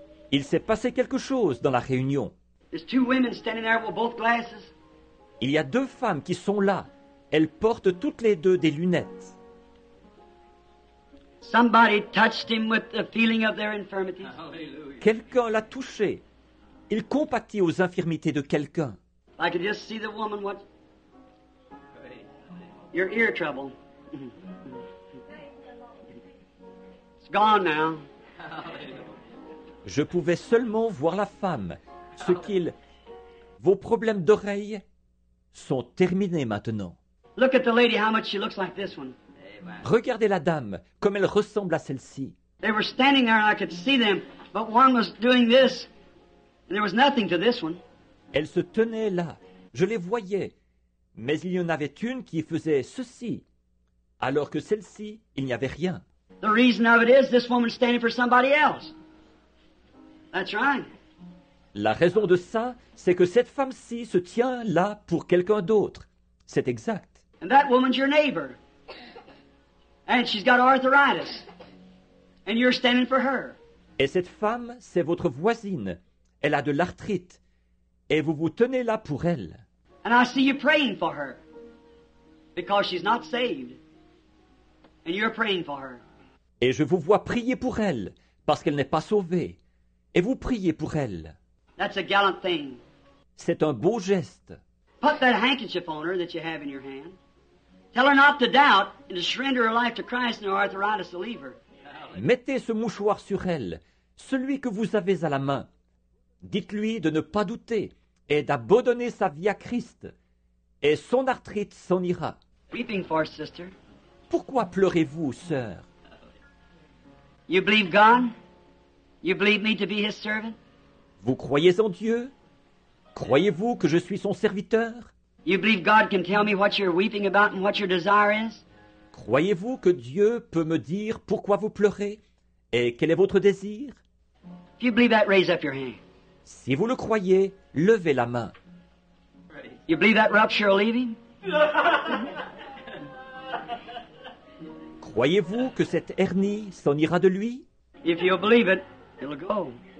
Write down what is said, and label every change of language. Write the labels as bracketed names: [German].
[French] Il s'est passé quelque chose dans la réunion. [English] There's two women standing there with both glasses. [French] Il y a deux femmes qui sont là. Elles portent toutes les deux des lunettes. [English] Somebody touched him with the feeling of their infirmities. [French] Quelqu'un l'a touché. Il compatit aux infirmités de quelqu'un. [English] I could just see the woman what... Your ear trouble. It's gone now. [French] Je pouvais seulement voir la femme. Ce qu'il... Vos problèmes d'oreille sont terminés maintenant. [English] Look at the lady, how much she looks like this one. [French] Regardez la dame, comme elle ressemble à celle-ci. [English] They were standing there and I could see them, but one was doing this, and there was nothing to this one. [French] Elles se tenaient là, je les voyais, mais il y en avait une qui faisait ceci, alors que celle-ci, il n'y avait rien. [English] The reason of it is this woman standing for somebody else. That's right. [French] La raison de ça, c'est que cette femme-ci se tient là pour quelqu'un d'autre. C'est exact. [English] And that woman's your neighbor. And she's got arthritis. And you're standing for her. [French] Et cette femme, c'est votre voisine. Elle a de l'arthrite. Et vous vous tenez là pour elle. [English] And I see you praying for her. Because she's not saved. And you're praying for her. [French] Et je vous vois prier pour elle, parce qu'elle n'est pas sauvée. Et vous priez pour elle. [English] That's a gallant thing. [French] C'est un beau geste. [English] Put that handkerchief on her that you have in your hand. Tell her not to doubt and to surrender her life to Christ and her arthritis to leave her. [French] Mettez ce mouchoir sur elle, celui que vous avez à la main. Dites-lui de ne pas douter et d'abandonner sa vie à Christ. Et son arthrite s'en ira. [English] Weeping for, sister. [French] Pourquoi pleurez-vous, sœur? [English] You believe God? You believe me to be his servant? [French] Vous croyez en Dieu? Croyez-vous que je suis son serviteur? [English] You believe God can tell me what you're weeping about and what your desire is? [French] Croyez-vous que Dieu peut me dire pourquoi vous pleurez et quel est votre désir? [English] If you believe that, raise up your hand. [French] Si vous le croyez, levez la main. [English] You believe that rupture will leave him? [French] Croyez-vous que cette hernie s'en ira de lui? [English] If you believe it, it'll go.